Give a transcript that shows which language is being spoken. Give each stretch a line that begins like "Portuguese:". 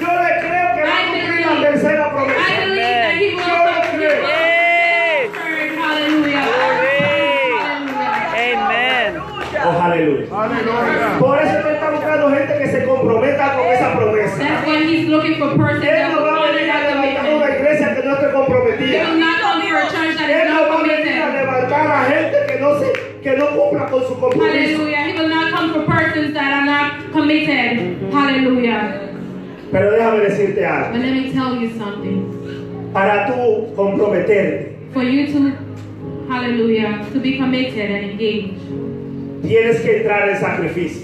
Spanish: Yo le creo que va a cumplir la tercera promesa.
English: I believe that he will come back. Yes. Hallelujah. Hallelujah. Amen. Oh, hallelujah. Hallelujah.
Spanish: Por eso él está buscando gente que se comprometa con esa promesa.
English: That's why he's looking for persons that will honor that commitment.
Spanish: Él no va a venir a levantar una iglesia que no esté comprometida.
English: He will not come for a church that is not committed.
Spanish: Él no va a venir a levantar a gente que no se que no cumpla con su compromiso.
English: Hallelujah. He will not come for persons that are not committed. Mm-hmm. Hallelujah.
Spanish: Pero déjame decirte algo.
English: But let me tell you something.
Spanish: Para tú comprometerte.
English: For you to, hallelujah, to be committed and engaged.
Spanish: Tienes que entrar en sacrificio.